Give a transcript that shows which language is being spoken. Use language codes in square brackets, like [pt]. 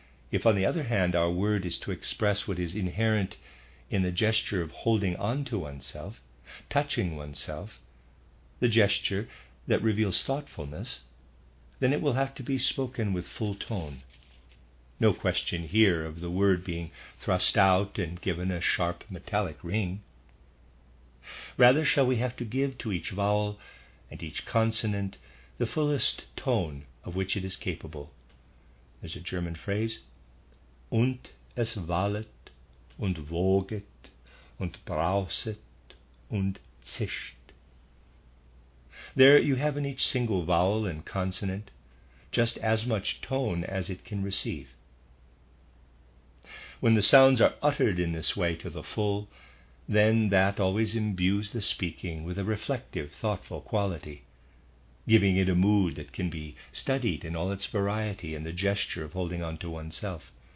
[en] If, on the other hand, our word is to express what is inherent in the gesture of holding on to oneself, touching oneself, the gesture that reveals thoughtfulness, then it will have to be spoken with full tone. No question here of the word being thrust out and given a sharp metallic ring. Rather shall we have to give to each vowel and each consonant the fullest tone of which it is capable. There's a German phrase, [de] und es wallet, und woget, und brauset, und zischt. [en] There you have in each single vowel and consonant just as much tone as it can receive. When the sounds are uttered in this way to the full, then that always imbues the speaking with a reflective, thoughtful quality, giving it a mood that can be studied in all its variety and the gesture of holding on to oneself.